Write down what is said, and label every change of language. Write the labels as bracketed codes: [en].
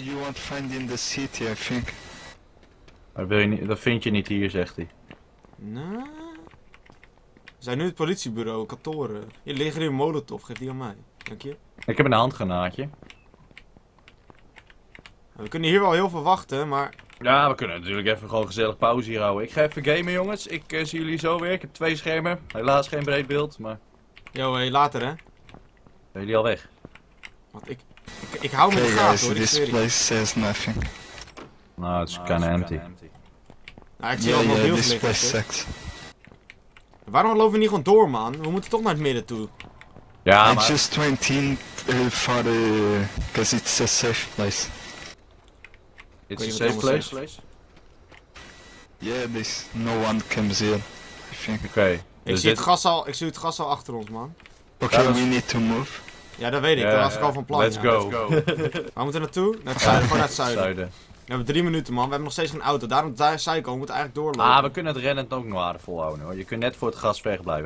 [en] You won't find in the city, I think. [nl] Dat vind je niet hier, zegt hij. Nou, zijn nu het politiebureau, kantoren. Hier liggen hier molotov, geef die aan mij. Dank je. Ik heb een handgranaatje. We kunnen hier wel heel veel wachten, maar... Ja, we kunnen natuurlijk even gewoon gezellig pauze hier houden. Ik ga even gamen, jongens. Ik zie jullie zo weer. Ik heb 2 schermen. Helaas geen breed beeld, maar... [en] Yo, hey, later, hè. [nl] Zijn jullie al weg? Wat, ik hou me in de gaten, hoor. [en] This place says nothing. [nl] Nou, het is kinda empty. Nou, ik zie allemaal heel slecht. Waarom lopen we niet gewoon door, man? We moeten toch naar het midden toe. Ja, maar... [en] I just went in for the... Because it's a safe place. It's a safe place? Yeah, there's no one comes here, I think. Okay. [nl] Ik zie het gas al achter ons, man. [en] Oké, okay, we need to move. [nl] Ja, dat weet ik. Daar was ik al van plan. [en] Let's go. [nl] Waar moeten we naartoe? Naar het zuiden, gewoon naar het zuiden. We hebben 3 minuten, man. We hebben nog steeds geen auto. Daarom zei ik al, we moeten eigenlijk doorlopen. Ah, we kunnen het rennen ook nog harder volhouden, hoor. Je kunt net voor het gas wegblijven.